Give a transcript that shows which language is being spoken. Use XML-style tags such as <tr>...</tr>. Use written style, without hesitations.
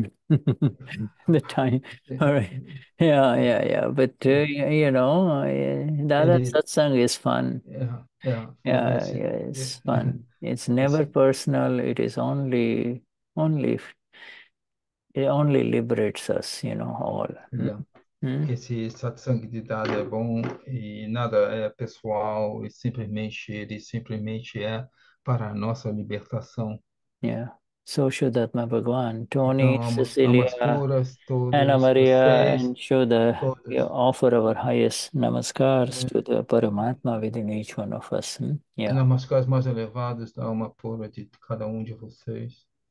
<en>The time, all right. But you know, Dada satsang is fun. It's fun. It's never personal. It is only liberates us, you know, all.</en> <pt>Esse satsang de Dada é bom e nada é pessoal, e simplesmente ele simplesmente é para a nossa libertação.</pt> <en>So Shuddha Atma Bhagwan, Tony,</en> <pt>então,</pt> <en>Cecilia,</en> <pt>puras, todos</pt> <en>Ana Maria,</en> <pt>vocês,</pt> <en>and Shuddha,</en> <pt>todos.</pt> <en>We offer our highest namaskars to the Paramatma within each one of us.</en> <pt>Namaskars mais elevados da alma pura de cada de vocês.</pt>